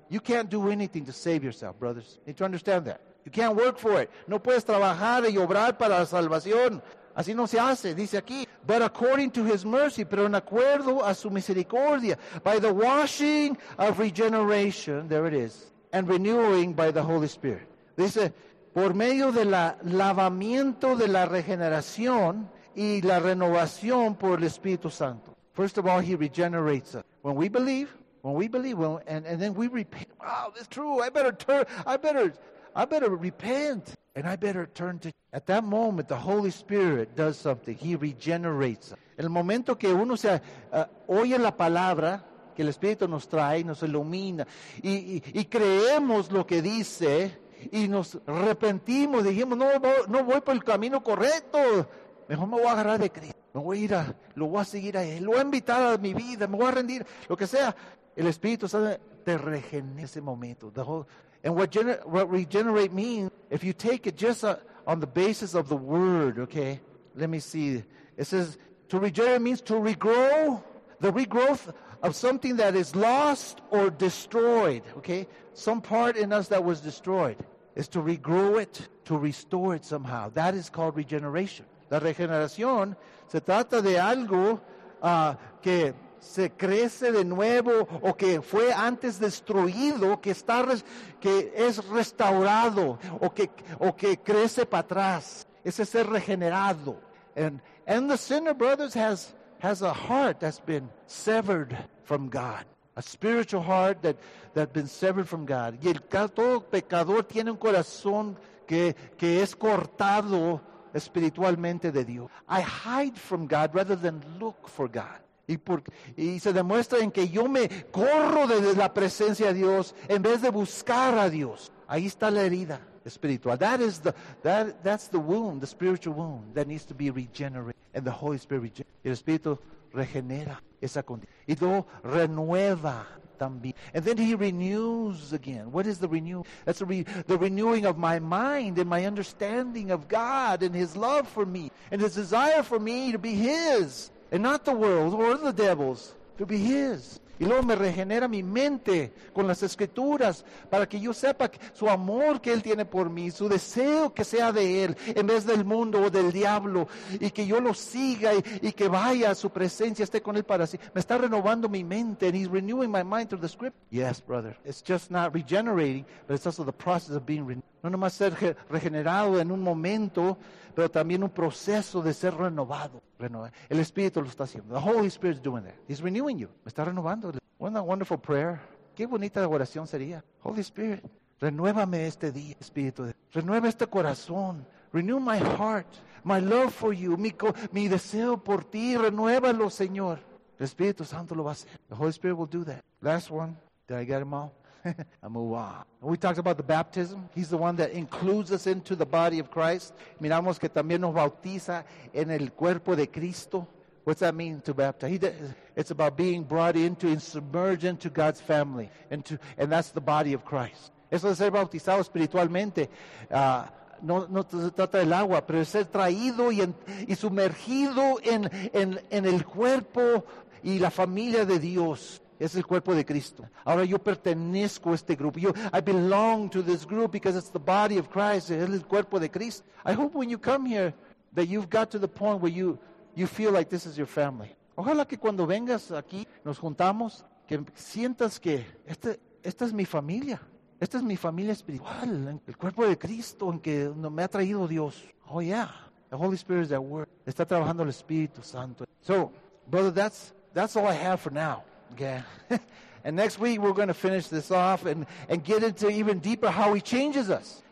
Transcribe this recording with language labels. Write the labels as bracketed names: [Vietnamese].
[English] You can't do anything to save yourself, brothers. You need to understand that. You can't work for it. [Spanish] No puedes trabajar y obrar para la salvación. Así no se hace, dice aquí. [English] But according to his mercy, [Spanish] pero en acuerdo a su misericordia, [English] by the washing of regeneration, there it is, and renewing by the Holy Spirit. [Spanish] Dice, por medio de la lavamiento de la regeneración y la renovación por el Espíritu Santo. [English] First of all, he regenerates us. When we believe, and then we repent. Wow, that's true. I better repent. And I better turn to. At that moment, the Holy Spirit does something. He regenerates. [Spanish] El momento que uno se oye la palabra que el Espíritu nos trae, nos ilumina, y creemos lo que dice, y nos arrepentimos, dijimos, no voy por el camino correcto. Mejor me voy a agarrar de Cristo. Me voy a ir a, lo voy a seguir a Él. Lo voy a invitar a mi vida. Me voy a rendir. Lo que sea. El Espíritu Santo te regenera ese momento. [English] What regenerate means, if you take it just on the basis of the word, okay? Let me see. It says, to regenerate means to regrow, the regrowth of something that is lost or destroyed, okay? Some part in us that was destroyed is to regrow it, to restore it somehow. That is called regeneration. [Spanish] La regeneración se trata de algo que se crece de nuevo o que fue antes destruido, que es restaurado o que crece para atrás. Ese ser regenerado. [English] And the sinner, brothers, has a heart that's been severed from God. A spiritual heart that's been severed from God. [Spanish] Y todo pecador tiene un corazón que es cortado espiritualmente de Dios. [English] I hide from God rather than look for God. [Spanish] Y se demuestra en que yo me corro desde la presencia de Dios en vez de buscar a Dios. Ahí está la herida espiritual. [English] That's the wound, the spiritual wound that needs to be regenerated. And the Holy Spirit regenerates. [Spanish] El Espíritu regenera esa condición. Y luego renueva también. [English] And then he renews again. What is the renew? That's the renewing of my mind and my understanding of God and his love for me and his desire for me to be his and not the world or the devil's, to be his. [Spanish] Y luego me regenera mi mente con las escrituras para que yo sepa su amor que él tiene por mí, su deseo que sea de él en vez del mundo o del diablo, y que yo lo siga y que vaya a su presencia, esté con él para sí. Me está renovando mi mente, [English] and he's renewing my mind through the script. Yes, brother. It's just not regenerating, but it's also the process of being renewed. [Spanish] No nomás ser regenerado en un momento, pero también un proceso de ser renovado. El Espíritu lo está haciendo. [English] The Holy Spirit is doing that. He's renewing you. [Spanish] Me está renovando. [English] What a wonderful prayer. [Spanish] Qué bonita oración sería. [English] Holy Spirit, [Spanish] renuévame este día, Espíritu. Renueva este corazón. [English] Renew my heart. My love for you. [Spanish] Mi deseo por ti. Renuévalo, Señor. El Espíritu Santo lo va a hacer. [English] The Holy Spirit will do that. Last one. Did I get them all? I move on. We talked about the baptism. He's the one that includes us into the body of Christ. [Spanish] Miramos que también nos bautiza en el cuerpo de Cristo. [English] What's that mean to baptize? It's about being brought into and submerged into God's family. And that's the body of Christ. [Spanish] Eso de ser bautizado espiritualmente. No se trata del agua, pero es ser traído y sumergido en el cuerpo y la familia de Dios. Es el cuerpo de Cristo. Ahora yo pertenezco a este grupo. [English] I belong to this group because it's the body of Christ. [Spanish] Es el cuerpo de Cristo. [English] I hope when you come here that you've got to the point where you feel like this is your family. [Spanish] Ojalá que cuando vengas aquí, nos juntamos, que sientas que esta es mi familia. Esta es mi familia espiritual. El cuerpo de Cristo en que me ha traído Dios. [English] Oh yeah. The Holy Spirit is at work. [Spanish] Está trabajando el Espíritu Santo. [English] So, brother, that's all I have for now. Okay. And next week we're going to finish this off and get into even deeper how he changes us.